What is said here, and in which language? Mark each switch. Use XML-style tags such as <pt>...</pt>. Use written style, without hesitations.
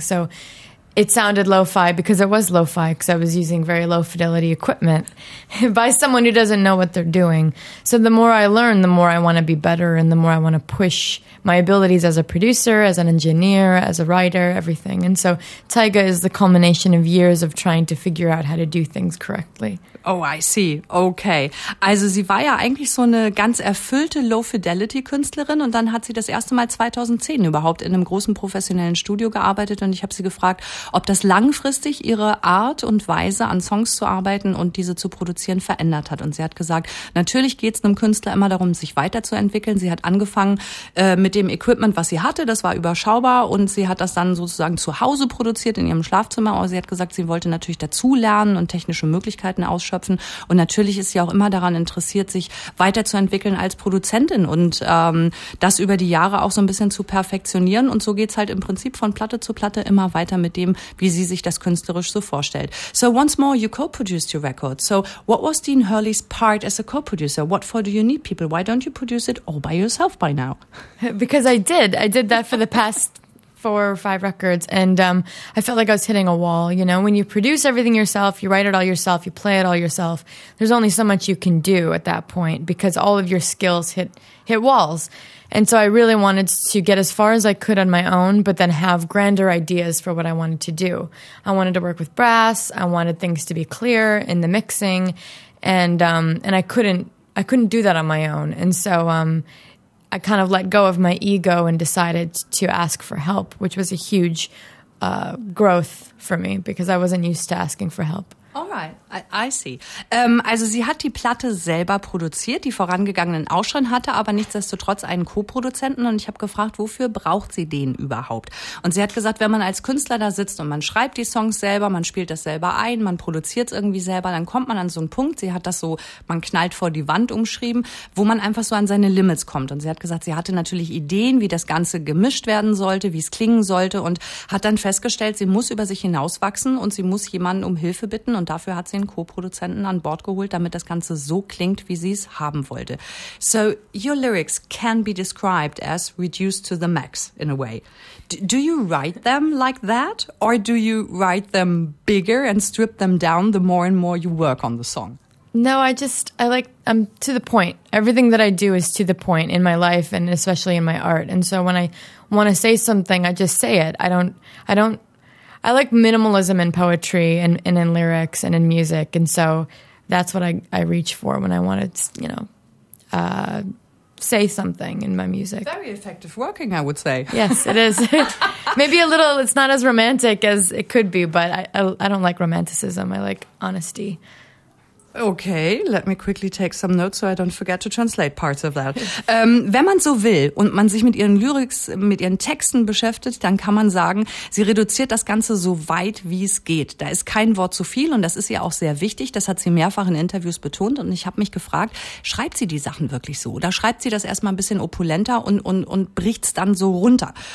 <en>So it sounded lo-fi because it was lo-fi because I was using very low fidelity equipment by someone who doesn't know what they're doing. So the more I learn, the more I want to be better and the more I want to push my abilities as a producer, as an engineer, as a writer, everything. And so Tiger is the culmination of years of trying to figure out how to do things correctly. Oh, I see. Okay.</en> <de>Also sie war ja eigentlich so eine ganz erfüllte Low-Fidelity-Künstlerin und dann hat sie das erste Mal 2010 überhaupt in einem großen professionellen Studio gearbeitet und ich habe sie gefragt, ob das langfristig ihre Art und Weise an Songs zu arbeiten und diese zu produzieren verändert hat. Und sie hat gesagt, natürlich geht es einem Künstler immer darum, sich weiterzuentwickeln. Sie hat angefangen mit dem Equipment, was sie hatte, das war überschaubar und sie hat das dann sozusagen zu Hause produziert in ihrem Schlafzimmer. Aber sie hat gesagt, sie wollte natürlich dazu lernen und technische Möglichkeiten ausschöpfen. Und natürlich ist sie auch immer daran interessiert, sich weiterzuentwickeln als Produzentin und das über die Jahre auch so ein bisschen zu perfektionieren. Und so geht's halt im Prinzip von Platte zu Platte immer weiter mit dem, wie sie sich das künstlerisch so vorstellt.</de> <en>So once more, you co-produced your record. So what was Dean Hurley's part as a co-producer? What for do you need people? Why don't you produce it all by yourself by now? Because I did. I did that for the past 4 or 5 records. And I felt like I was hitting a wall. You know, when you produce everything yourself, you write it all yourself, you play it all yourself, there's only so much you can do at that point because all of your skills hit walls. And so I really wanted to get as far as I could on my own, but then have grander ideas for what I wanted to do. I wanted to work with brass. I wanted things to be clear in the mixing. And I couldn't do that on my own. And so I kind of let go of my ego and decided to ask for help, which was a huge growth for me because I wasn't used to asking for help. Alright, I see.</en> <de>Also sie hat die Platte selber produziert, die vorangegangenen auch schon hatte, aber nichtsdestotrotz einen Co-Produzenten. Und ich habe gefragt, wofür braucht sie den überhaupt? Und sie hat gesagt, wenn man als Künstler da sitzt und man schreibt die Songs selber, man spielt das selber ein, man produziert es irgendwie selber, dann kommt man an so einen Punkt, sie hat das so, man knallt vor die Wand umschrieben, wo man einfach so an seine Limits kommt. Und sie hat gesagt, sie hatte natürlich Ideen, wie das Ganze gemischt werden sollte, wie es klingen sollte, und hat dann festgestellt, sie muss über sich hinauswachsen und sie muss jemanden um Hilfe bitten. Und dafür hat sie einen Co-Produzenten an Bord geholt, damit das Ganze so klingt, wie sie es haben wollte.</de> <en>So, your lyrics can be described as reduced to the max, in a way. Do you write them like that? Or do you write them bigger and strip them down the more and more you work on the song? No, I'm to the point. Everything that I do is to the point in my life and especially in my art. And so when I want to say something, I just say it. I like minimalism in poetry and in lyrics and in music. And so that's what I reach for when I want to, you know, say something in my music. Very effective working, I would say. Yes, it is. Maybe a little, it's not as romantic as it could be, but I don't like romanticism. I like honesty. Okay, let me quickly take some notes, so I don't forget to translate parts of that.</en> <de>Wenn man so will und man sich mit ihren Lyrics, mit ihren Texten beschäftigt, dann kann man sagen, sie reduziert das Ganze so weit, wie es geht. Da ist kein Wort zu viel und das ist ihr auch sehr wichtig. Das hat sie mehrfach in Interviews betont und ich habe mich gefragt, schreibt sie die Sachen wirklich so? Oder schreibt sie das erstmal ein bisschen opulenter und bricht's dann so runter?</de>